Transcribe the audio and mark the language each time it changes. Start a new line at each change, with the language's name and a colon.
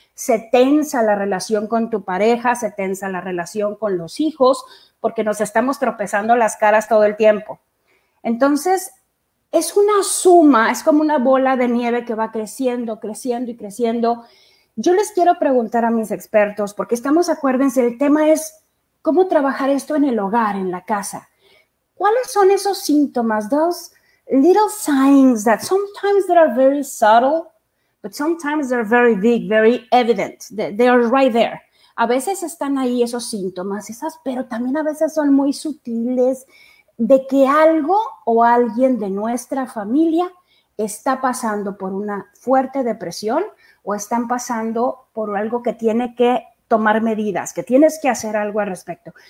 Spanish: Se tensa la relación con tu pareja, se tensa la relación con los hijos, porque nos estamos tropezando las caras todo el tiempo. Entonces, es una suma, es como una bola de nieve que va creciendo, creciendo y creciendo. Yo les quiero preguntar a mis expertos, porque estamos, acuérdense, el tema es cómo trabajar esto en el hogar, en la casa. ¿Cuáles son esos síntomas,
English: those little signs that sometimes they are very subtle, but sometimes they're very big, very evident, they are right there?
Spanish: A veces están ahí esos síntomas, esas, pero también a veces son muy sutiles de que algo o alguien de nuestra familia está pasando por una fuerte depresión o están pasando por algo que tiene que tomar medidas, que tienes que hacer algo al respecto.